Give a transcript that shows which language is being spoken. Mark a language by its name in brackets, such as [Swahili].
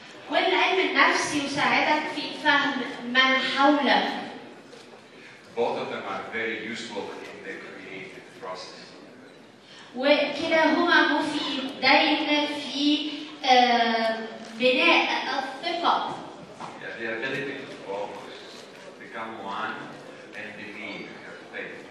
[Arabic] والعلم النفسي يساعدك في فهم من حولك. [English] Both of them are very useful in the creative process. [Arabic] وكلاهما مفيدين في بناء الثقة. [English] Yeah, the ability to focus, become one, and believe, have faith in